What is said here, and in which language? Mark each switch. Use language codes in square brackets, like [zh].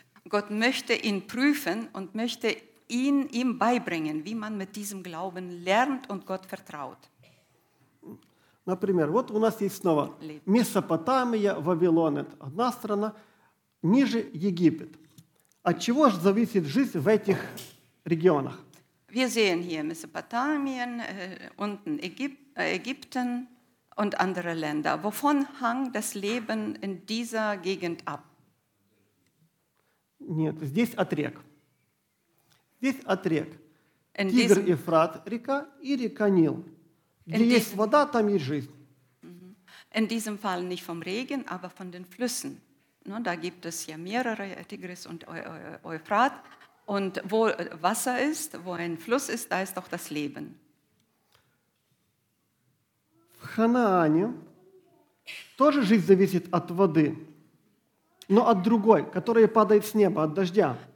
[de] Gott möchte ihn prüfen und möchte ihm beibringen, wie man mit diesem Glauben lernt und Gott vertraut. [ru] Например, вот у нас есть снова Месопотамия, Вавилон, это одна страна, ниже Египет. От чего же зависит жизнь в этих регионах? [de] Wir sehen hier Mesopotamien, unten Ägypten und andere Länder. Wovon hang das Leben in dieser Gegend ab? [ru] Нет, здесь от рек. Здесь от рек. Тигр и Евфрат река и река Нил. Где есть вода, там есть жизнь. [de] In diesem Fall nicht vom Regen, aber von den Flüssen. Da gibt es ja mehrere, Tigris und Euphrat. Und wo Wasser ist, wo ein Fluss ist, da ist doch das Leben. [ru] В Ханаане тоже жизнь зависит от воды, но от другой, которая падает с неба, от дождя.